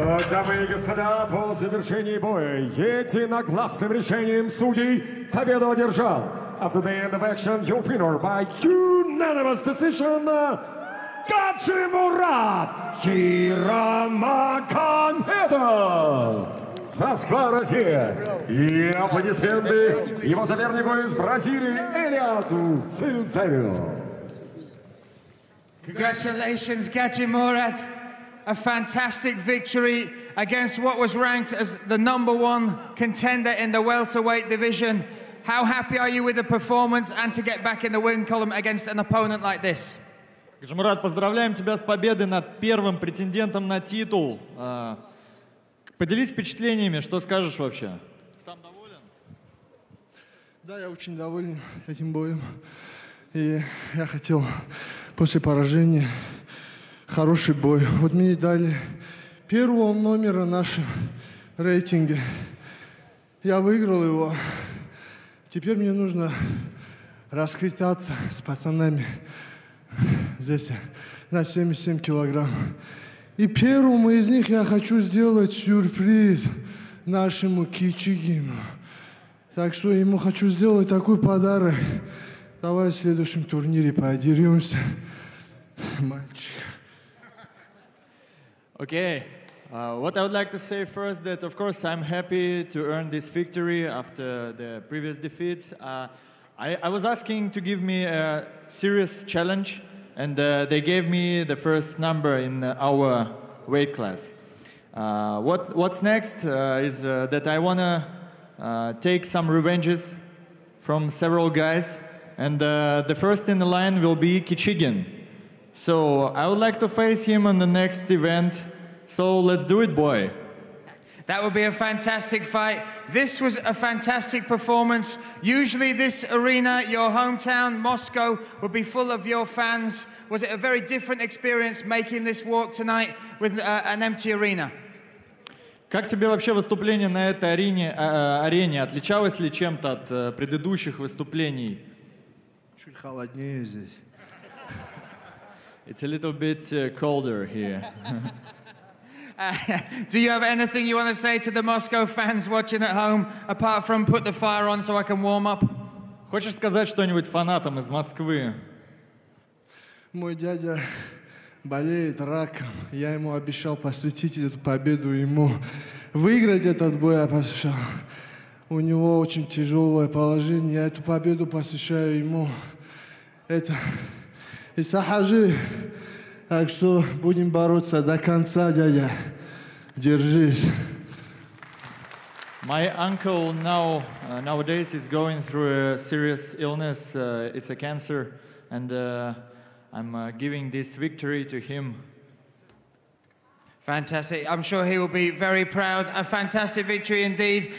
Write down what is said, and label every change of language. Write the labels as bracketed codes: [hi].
[ru] Дамы и господа, по завершении боя единогласным решением судей победу одержал. [en] After the end of action, your winner by unanimous decision, Гаджи Мурат Хирамаканхедов! [ru] Москва, Россия! И аплодисменты его сопернику из Бразилии Элиасу Сильверио! [en] Congratulations, Gaji Murat. A fantastic victory against what was ranked as the number one contender in the welterweight division. How happy are you with the performance and to get back in the win column against an opponent like this? [ru] Gaji Murat, поздравляем тебя с победой над первым претендентом на титул. Поделись впечатлениями, что скажешь вообще? Сам доволен? Да, я очень доволен этим боем. И я хотел после поражения хороший бой. Вот мне дали первого номера в нашем рейтинге. Я выиграл его. Теперь мне нужно раскрытаться с пацанами здесь на 77 килограмм. И первому из них я хочу сделать сюрприз нашему Кичигину. Так что ему хочу сделать такой подарок. Давай в следующем турнире подеремся, мальчик. [en] Okay, what I would like to say first, that of course I'm happy to earn this victory after the previous defeats. I was asking to give me a serious challenge, and they gave me the first number in our weight class. What's next is that I wanna take some revenges from several guys. And the first in the line will be Kichigin. So I would like to face him on the next event. So let's do it, boy. That would be a fantastic fight. This was a fantastic performance. Usually this arena, your hometown, Moscow, would be full of your fans. Was it a very different experience making this walk tonight with an empty arena? [ru] Как тебе вообще выступление на этой арене, отличалось ли чем-то от предыдущих выступлений? Чуть холоднее здесь. [en] It's a little bit colder here. Do you have anything you want to say to the Moscow fans watching at home, apart from put the fire on so I can warm up? [ru] Хочешь сказать что-нибудь фанатам из Москвы? Мой дядя болеет раком. Я ему обещал посвятить эту победу ему. Выиграть этот бой я посвящал. У него очень тяжелое положение. Я эту победу посвящаю ему. Это Исахажи. Так что будем бороться до конца, дядя. Держись. [en] My uncle nowadays is going through a serious illness. It's a cancer. And I'm giving this victory to him. Fantastic. I'm sure he will be very proud. A fantastic victory indeed.